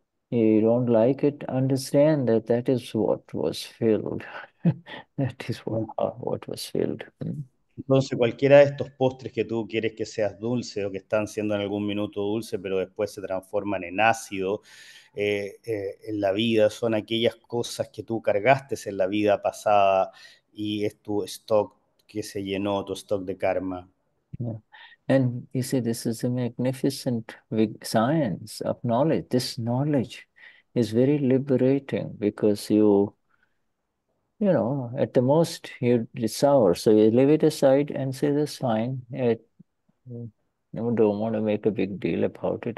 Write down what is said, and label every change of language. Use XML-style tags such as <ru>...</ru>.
<en>You don't like it, understand that that is what was filled. That is what was filled.</en> <es>Entonces, cualquiera de estos postres que tú quieres que seas dulce o que están siendo en algún minuto dulce, pero después se transforman en ácido en la vida, son aquellas cosas que tú cargaste en la vida pasada y es tu stock que se llenó, tu stock de karma.</es> <en>And you see, this is a magnificent science of knowledge. This knowledge is very liberating because you know, at the most you sour. So you leave it aside and say, that's fine. I don't want to make a big deal about it.</en>